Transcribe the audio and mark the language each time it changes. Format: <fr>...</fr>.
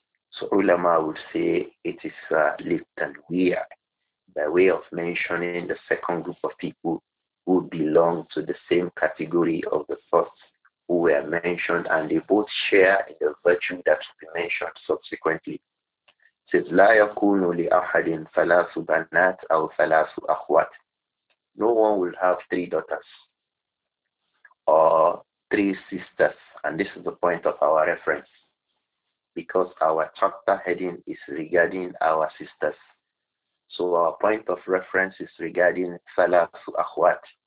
<en>So ulama would say it is a little weird, by way of mentioning the second group of people who belong to the same category of the first who were mentioned, and they both share in the virtue that will be mentioned subsequently.</en> <ar>It says, لا يكون لأحد ثلاث بنات أو ثلاث أخوات.</ar> <en>No one will have three daughters or three sisters. And this is the point of our reference, because our chapter heading is regarding our sisters. So our point of reference is regarding</en> <ar>thalathu akhwat.</ar>